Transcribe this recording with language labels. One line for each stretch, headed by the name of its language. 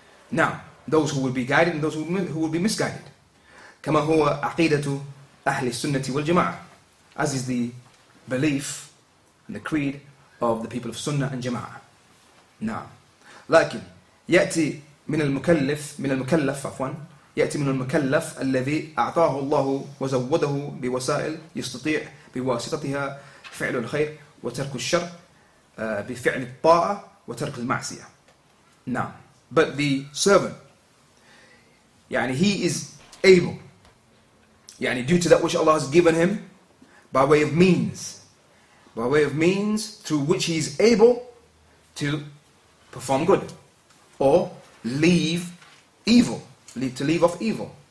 English: Now, those who would be guided and those who would be misguided.
Arabic: كما هو عقيدة أهل السنة والجماعة.
English: As is the belief and the creed of the people of Sunnah and Jama'ah.
Arabic: نعم. لكن يأتي من المكلف يأتي من المكلف الذي أعطاه الله وزوده بوسائل يستطيع بواسطتها فعل الخير وترك الشر بفعل الطاعة وترك المعصية. نعم.
English: But the servant, he is able, due to that which Allah has given him by way of means through which he is able to perform good or leave off evil.